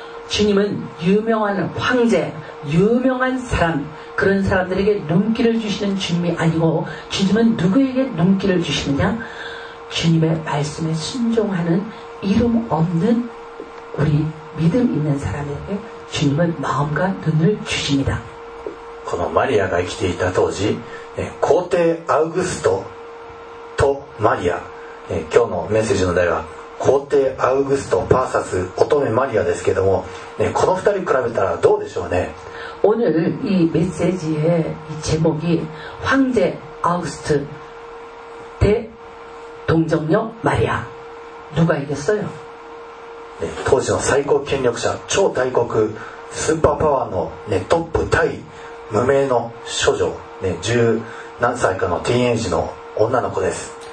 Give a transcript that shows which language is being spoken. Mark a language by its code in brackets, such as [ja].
[ko] 주님은유명한황제유명한사람그런사람들에게눈길을주시는주님이아니고주님은누구에게눈길을주시느냐주님의말씀에순종하는이름없는우리믿음있는사람에게주님은마음과눈을주십니다。 [ja] このマリアが生きていた当時、皇帝アウグストとマリア、今日のメッセージの題は皇帝アウグスト vs 乙女マリアですけども、この二人比べたらどうでしょうね。 [ko] 오늘이메시지의제목이황제아우스트대동정녀마리아누가이겼어요、 [ja] 네、当時の最高権力者超大国スーパーパワーの、ね、トップ対無名の少女、ね、十何歳かのティーンエイジの女の子です。